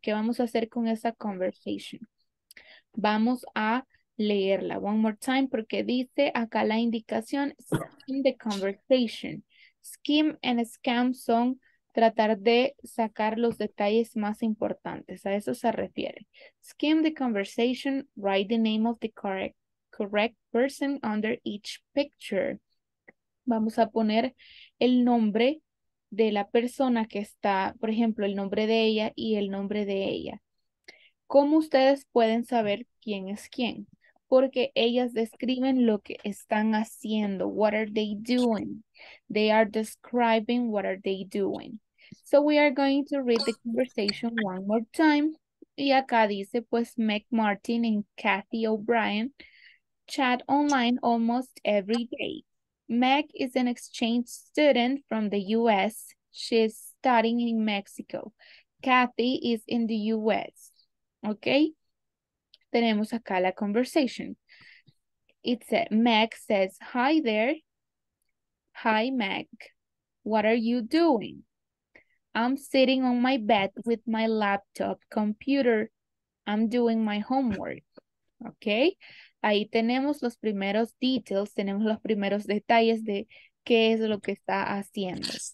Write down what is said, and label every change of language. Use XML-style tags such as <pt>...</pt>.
<es>¿Qué vamos a hacer con esa conversation? Vamos a leerla</es> <en>one more time</en> <es>porque dice acá la indicación</es> <en>skim the conversation. Skim and scam</en> <es>son tratar de sacar los detalles más importantes. A eso se refiere.</es> <en>Skim the conversation, write the name of the correct person under each picture.</en> <es>Vamos a poner el nombre de la persona que está, por ejemplo, el nombre de ella y el nombre de ella. ¿Cómo ustedes pueden saber quién es quién? Porque ellas describen lo que están haciendo.</es> <en>What are they doing? They are describing what are they doing. So we are going to read the conversation one more time.</en> <es>Y acá dice, pues,</es> <en>Meg Martin and Kathy O'Brien chat online almost every day. Meg is an exchange student from the U.S. She's studying in Mexico. Kathy is in the U.S.</en> <es>Ok, tenemos acá la conversation.</es> <en>Meg says, hi there. Hi, Meg. What are you doing? I'm sitting on my bed with my laptop computer. I'm doing my homework.</en> <es>Ok, ahí tenemos los primeros details, tenemos los primeros detalles de qué es lo que está haciendo.</es>